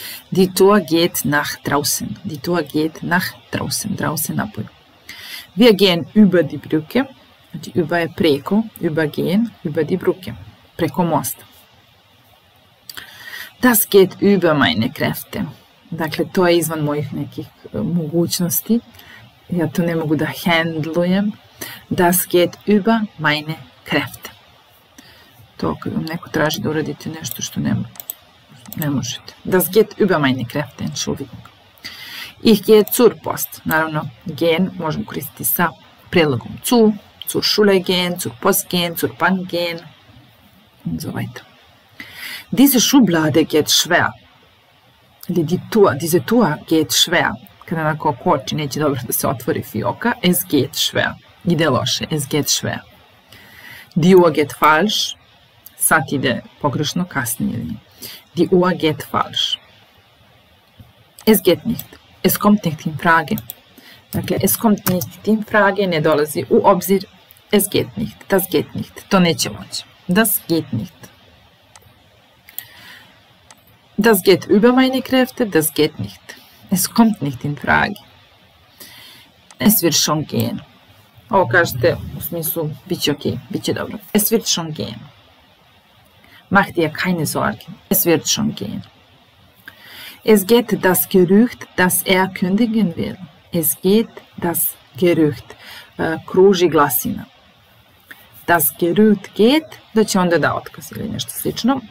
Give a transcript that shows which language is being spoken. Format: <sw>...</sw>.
<de>Die Tür geht nach draußen. Die Tür geht nach draußen. Draußen</de> <sr>na polju.</sr> <de>Wir gehen über die Brücke.</de> <sr>Znači,</sr> <de>über</de> <sr>je preko,</sr> <de>über gehen, über die Brücke.</de> <sr>Preko mosta.</sr> <de>Das geht über meine Kräfte.</de> <sr>Dakle, to je izvan mojih nekih mogućnosti. Ja to ne mogu da handlujem.</sr> <de>Das geht über meine Kräfte.</de> <sr>To kad vam neko traži da uradite nešto što ne možete.</sr> <de>Das geht über meine Kräfte, entschuldigung. Ich gehe zur Post.</de> <sr>Naravno, gehen možemo koristiti sa prilogom zu,</sr> <de>zur Schule gehen, zur Post gehen, zur Bank gehen und so weiter. Diese Schublade geht schwer. Diese Tour geht schwer.</de> <sr>Kada onako koči, neće dobro da se otvori fioka.</sr> <de>Es geht schwer.</de> <sr>Ide loše.</sr> <de>Es geht schwer. Die Uhr geht falsch.</de> <sr>Sad ide pogrešno, kasnije.</sr> <de>Die Uhr geht falsch. Es geht nicht. Es kommt nicht in Frage.</de> <sr>Dakle,</sr> <de>es kommt nicht in Frage,</de> <sr>ne dolazi u obzir.</sr> <de>Es geht nicht. Das geht nicht.</de> <sr>To neće moći.</sr> <de>Das geht nicht. Das geht über meine Kräfte. Das geht nicht. Es kommt nicht in Frage. Es wird schon gehen.</de> <sr>Ovo kažete u smislu, bit će okej, bit će dobro.</sr> <de>Es wird schon gehen. Mach dir keine Sorgen. Es wird schon gehen. Es geht das Gerücht, dass kündigen will. Es geht das Gerücht.</de> <sr>Kruži glasina.</sr> <de>Das Gerücht geht,</de> <sr>da će onda da otkaz ili nešto slično.</sr>